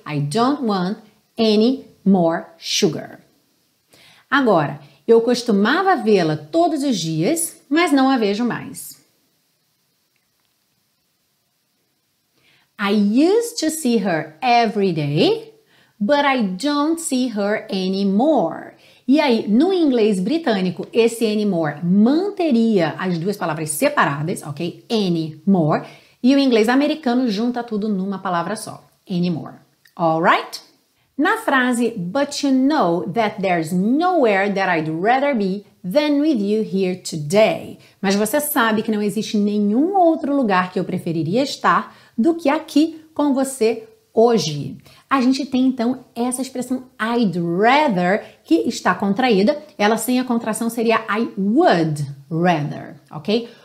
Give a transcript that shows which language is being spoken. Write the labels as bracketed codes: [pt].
[en] I don't want any more sugar. [pt] Agora, eu costumava vê-la todos os dias, mas não a vejo mais. [en] I used to see her every day, but I don't see her anymore. [pt] E aí, no inglês britânico, esse anymore manteria as duas palavras separadas, ok? Anymore. E o inglês americano junta tudo numa palavra só, anymore. Alright? Na frase, [en] but you know that there's nowhere that I'd rather be than with you here today. [pt] Mas você sabe que não existe nenhum outro lugar que eu preferiria estar do que aqui com você hoje. A gente tem, então, essa expressão I'd rather, que está contraída. Ela, sem a contração, seria I would rather, ok?